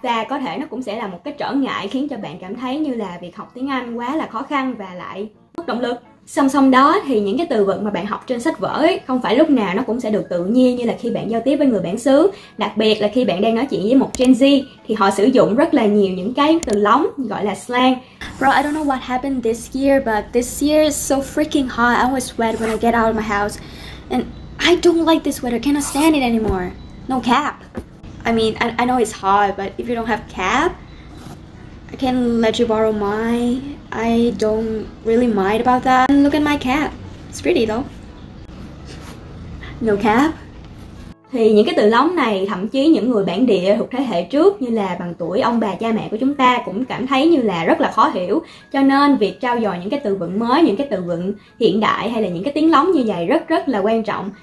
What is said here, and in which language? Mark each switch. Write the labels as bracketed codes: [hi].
[vi] Và có thể nó cũng sẽ là một cái trở ngại khiến cho bạn cảm thấy như là việc học tiếng Anh quá là khó khăn và lại mất động lực. Song song đó thì những cái từ vựng mà bạn học trên sách vở ấy, không phải lúc nào nó cũng sẽ được tự nhiên như là khi bạn giao tiếp với người bản xứ. Đặc biệt là khi bạn đang nói chuyện với một Gen Z thì họ sử dụng rất là nhiều những cái từ lóng gọi là slang. [en] Bro, I don't know what happened this year, but this year is so freaking hot. I always sweat when I get out of my house. And I don't like this weather, cannot stand it anymore. No cap. I mean, I know it's hot, but if you don't have cap, I can let you borrow mine. I don't really mind about that. And look at my cap. It's pretty though. No cap. [vi] Thì những cái từ lóng này, thậm chí những người bản địa thuộc thế hệ trước như là bằng tuổi ông bà cha mẹ của chúng ta cũng cảm thấy như là rất là khó hiểu. Cho nên việc trau dồi những cái từ vựng mới, những cái từ vựng hiện đại hay là những cái tiếng lóng như vậy rất là quan trọng.